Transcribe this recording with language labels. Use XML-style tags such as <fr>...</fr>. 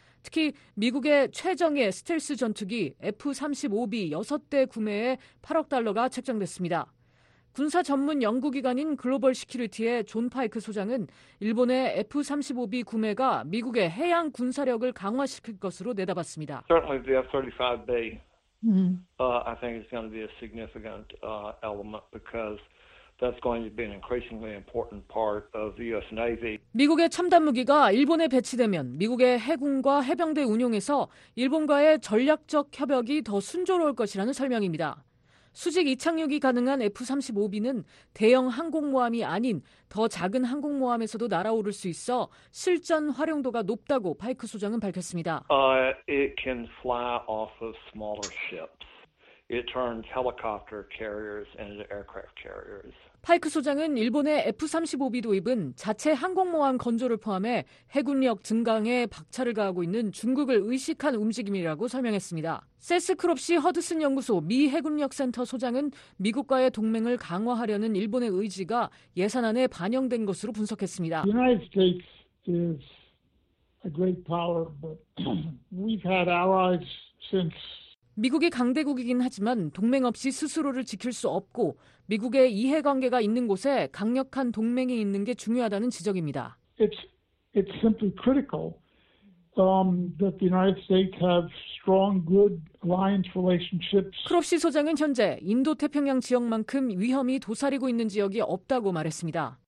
<ko>특히 미국의 최정예 스텔스 전투기 F-35B 6대 구매에 8억 달러가 책정됐습니다. 군사 전문 연구기관인 글로벌 시큐리티의 존 파이크 소장은 일본의 F-35B 구매가 미국의 해양 군사력을 강화시킬 것으로 내다봤습니다.</ko> <en>Certainly the F-35B, I think is going to be a significant element because that's going to be an increasingly important part of the U.S. Navy.</en> <ko>미국의 첨단 무기가 일본에 배치되면 미국의 해군과 해병대 운용에서 일본과의 전략적 협력이 더 순조로울 것이라는 설명입니다. 수직 이착륙이 가능한 F-35B는 대형 항공모함이 아닌 더 작은 항공모함에서도 날아오를 수 있어 실전 활용도가 높다고 파이크 소장은 밝혔습니다.</ko> <en>It can fly off of smaller ships. It turns helicopter carriers into aircraft carriers.</en> <ko>파이크 소장은 일본의 F-35B 도입은 자체 항공모함 건조를 포함해 해군력 증강에 박차를 가하고 있는 중국을 의식한 움직임이라고 설명했습니다. 세스크롭시 허드슨 연구소 미 해군력센터 소장은 미국과의 동맹을 강화하려는 일본의 의지가 예산안에 반영된 것으로 분석했습니다.</ko> <en>The United States is a great power, but we've had allies since</en> <ko>미국이 강대국이긴 하지만 동맹 없이 스스로를 지킬 수 없고 미국의 이해관계가 있는 곳에 강력한 동맹이 있는 게 중요하다는 지적입니다.</ko> <en>It's simply critical that the United States have strong, good alliance relationships.</en> <ko>크롭시 소장은 현재 인도태평양 지역만큼 위험이 도사리고 있는 지역이 없다고 말했습니다.</ko>